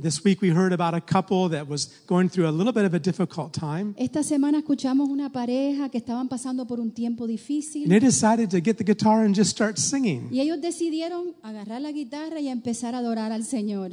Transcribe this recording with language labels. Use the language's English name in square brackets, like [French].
[English] This week we heard about a couple that was going through a little bit of a difficult time. [Spanish] Esta semana escuchamos una pareja que estaban pasando por un tiempo difícil. [English] And they decided to get the guitar and just start singing. [Spanish] Y ellos decidieron agarrar la guitarra y empezar a adorar al Señor.